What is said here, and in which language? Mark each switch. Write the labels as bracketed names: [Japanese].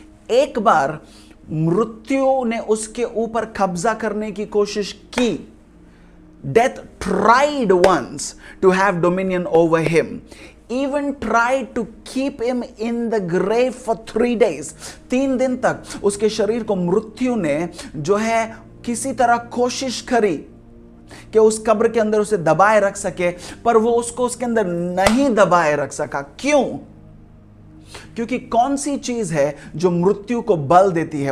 [Hindi] एक बार मृत्यु ने उसके ऊपर कब्जा करने की कोशिश की. [English] Death tried once to have dominion over him. Even tried to keep him in the grave for 3 days. [Hindi] 3 दिन तक उसके शरीर को मृत्यु ने जो है किसी तरह कोशिश करी कि उस कब्र के अंदर उसे दबाए रख सके, पर वो उसको उसके अंदर नहीं दबाए रख सका. क्यों? क्योंकि कौन सी चीज है जो मृत्यु को बल देती है?